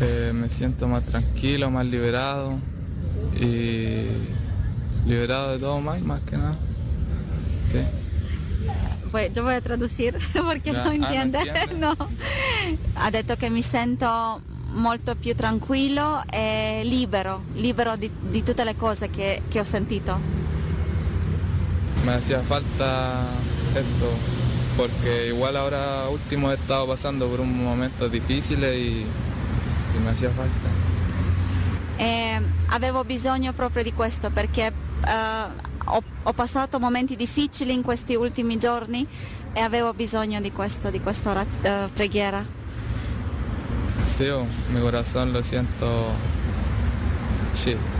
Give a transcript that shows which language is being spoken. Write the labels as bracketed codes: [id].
[it] Mi sento più tranquillo, più liberato e liberato di tutto, mai, più che nada. Sì. [es] Yo voy a traducir porque no, entiende. No entiende. No. [it] Ha detto che mi sento molto più tranquillo e libero, libero di tutte le cose che ho sentito. [es] Me hacía falta esto porque igual ahora último he estado pasando por un momento [it] difficile [es] y me hacía falta. [it] Avevo bisogno proprio di questo perché ho passato momenti difficili in questi ultimi giorni e avevo bisogno di questo, di questa preghiera. Sì, il mio [es] corazon [it] lo sento chill.